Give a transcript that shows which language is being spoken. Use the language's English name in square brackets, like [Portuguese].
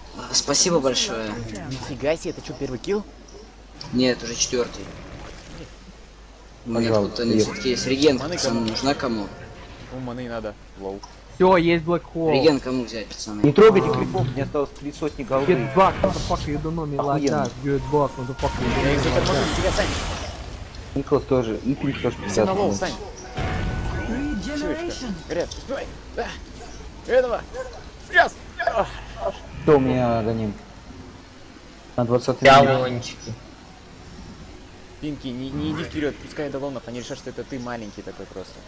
[Russian] Спасибо большое. Нифига себе, это что, первый килл? Нет, уже четвертый. Блин, тут они все-таки есть. Реген, пацаны, нужна кому? Ну, маны надо. Лоу. Все, есть блэкхол. Реген, кому взять, пацаны? Не трогайте крипов, мне осталось 3 сотни головы. [English] Get back, motherfucker, you don't know me, like that. Get back, motherfucker, you don't know me, like that. [Russian] Николас тоже, и Крик тоже 50. Все на лоу, встань. Ред, успевай. Этого. Сейчас. Что у меня гоним? На 20-й яблончики. Пинки, не иди вперед, пускай до лонов, они решат, что это ты маленький такой просто.